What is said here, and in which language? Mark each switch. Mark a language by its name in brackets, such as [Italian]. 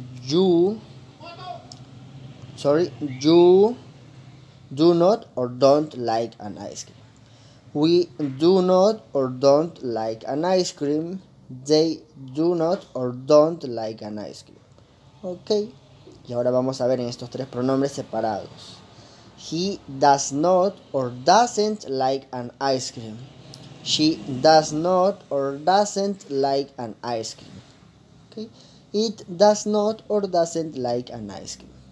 [English] You do not or don't like an ice cream. We do not or don't like an ice cream. They do not or don't like an ice cream. Ok. [Spanish] Y ahora vamos a ver en estos tres pronombres separados. [English] He does not or doesn't like an ice cream. She does not or doesn't like an ice cream. Okay. It does not or doesn't like an ice cream.